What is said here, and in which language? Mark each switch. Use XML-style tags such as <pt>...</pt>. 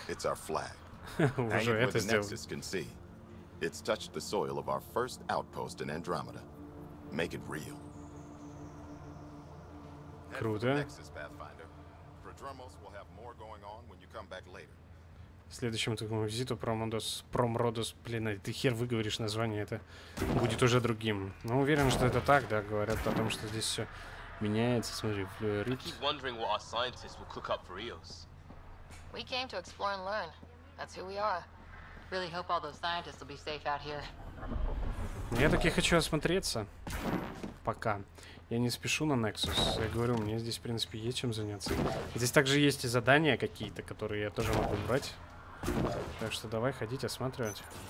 <en>It's our flag.</en> <ru>Уже это сделал.</ru> <en>Where the Nexus can see. It's touched the soil of our first outpost in Andromeda. Make it real.</en> <ru>Круто.</ru> <en>Nexus, Pathfinder. Prodromos will have more going on when you come back later.</en> <ru>Следующему такому визиту Промодос, Промродос, блин, ты хер выговоришь название, это будет уже другим. Но уверен, что это так, да, говорят о том, что здесь все меняется. Смотри, флюорит.</ru> <en>I keep wondering what our scientists will cook up for Eos. We came to explore and learn. That's who we are. Really hope all those scientists will be safe out here.</en> <ru>Я таки хочу осмотреться. Пока. Я не спешу на Nexus. Я говорю, у меня здесь, в принципе, есть чем заняться. Здесь также есть и задания какие-то, которые я тоже могу брать. Так что давай ходить, осматривать.</ru>